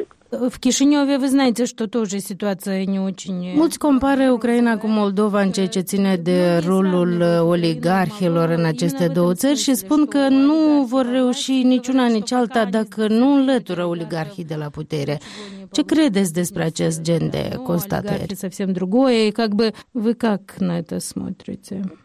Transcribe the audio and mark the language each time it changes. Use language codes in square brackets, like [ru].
[ru] В Кишиньове, вы знаете, что тоже ситуация не очень... [ro] Mulți compară Ucraina cu Moldova în ceea ce ține de rolul oligarhilor în aceste două țări și spun că nu vor reuși niciuna nici alta dacă nu înlătură oligarhii de la putere. Ce credeți despre acest gen de constatări? [ru] Oligarhii совсем другое, и как бы вы как на это смотрите?